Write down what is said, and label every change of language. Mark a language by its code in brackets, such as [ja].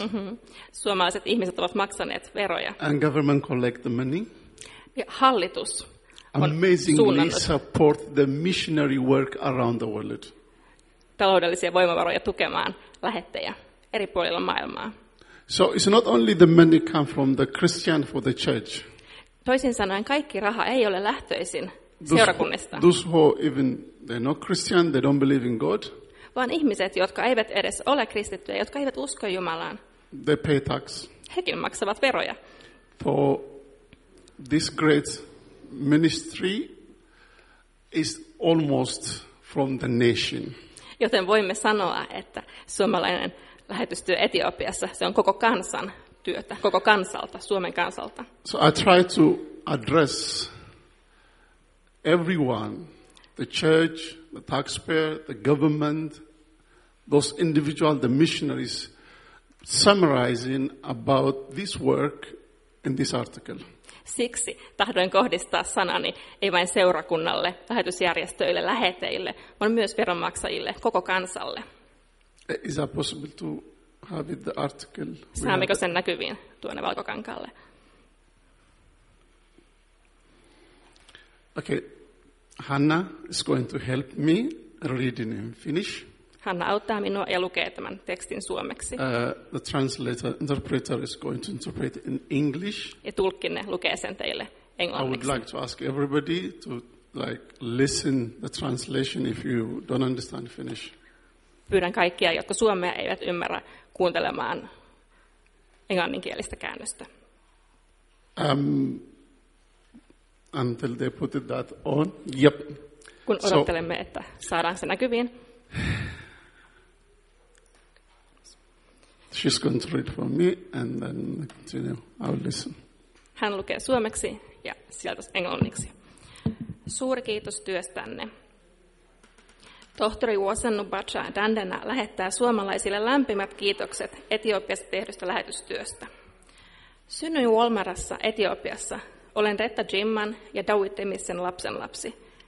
[fi] Mm-hmm. Suomalaiset ihmiset ovat maksaneet veroja. [en] And government collect the money. [fi] Ja hallitus [en] amazingly [fi] on suunnannut. [en] Support the missionary work around the world. [fi] Taloudellisia voimavaroja tukemaan lähettejä eri puolilla maailmaa. [en] So it's not only the money come from the Christian for the church. [fi] Toisin sanoen kaikki raha ei ole lähtöisin seurakunnista. [en] Those who even they're not Christian, they don't believe in God. [fi] Vaan ihmiset, jotka eivät edes ole kristittyjä, jotka eivät usko Jumalaan. [en] They pay tax. [fi] Hekin maksavat veroja. [en] For this great ministry is almost from the nation. [fi] Joten voimme sanoa, että suomalainen lähetystyö Etiopiassa, se on koko kansan työtä, koko kansalta, Suomen kansalta. [en] So I try to address everyone, the church, the taxpayer, the government, those individual, the missionaries, summarizing about this work in this article. [fi] Siksi tahdoin kohdistaa sanani ei vain seurakunnalle, lähetysjärjestöille, läheteille, vaan myös veronmaksajille, koko kansalle. [en] Is that possible to have the article? [fi] Saammeko sen näkyviin tuonne valkokankaalle? [en] Okay, Hanna is going to help me reading in Finnish. [fi] Hanna auttaa minua ja lukee tämän tekstin suomeksi. [en] The translator, interpreter is going to interpret in English. [fi] Ja tulkkinne lukee sen teille englanniksi. [en] I would like to ask everybody to like listen the translation if you don't understand Finnish. [fi] Pyydän kaikkia, jotka suomea eivät ymmärrä, kuuntelemaan englanninkielistä käännöstä. [en] Until they put that on. Yep. [fi] Kun odottelemme, so, että saadaan se näkyviin. [en] She's going to read for me and then continue. I'll listen. [fi] Hän lukee suomeksi ja sieltä englanniksi. Suuri kiitos työstänne. Tohtori Wasanu Bacha Dandena lähettää suomalaisille lämpimät kiitokset Etiopiassa tehdystä lähetystyöstä. Synnyin Wolmarassa, Etiopiassa. Olen Retta Jimman ja Dawit Emissen lapsenlapsi.